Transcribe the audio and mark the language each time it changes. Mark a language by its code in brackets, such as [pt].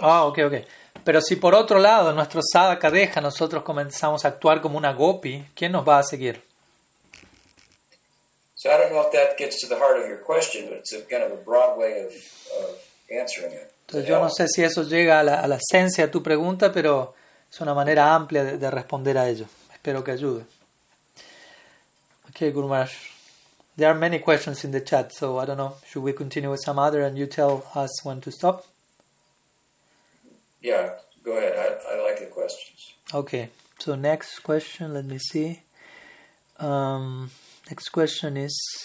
[en] Ah, okay, okay. [es] Pero si por otro lado, en nuestro sadhaka deja, nosotros comenzamos a actuar como una gopi, ¿quién nos va a seguir? [en] So I don't know if that gets to the heart of your question, but it's a kind of a broad way of answering it. [es] Entonces yo no sé si eso llega a la esencia de tu pregunta, pero es una manera amplia de responder a ello. Espero que ayude. Okay, Guru Maharaj. [en] There are many questions in the chat, so I don't know. Should we continue with some other and you tell us when to stop? Yeah, go ahead. I like the questions. Okay, so next question, let me see. Next question is...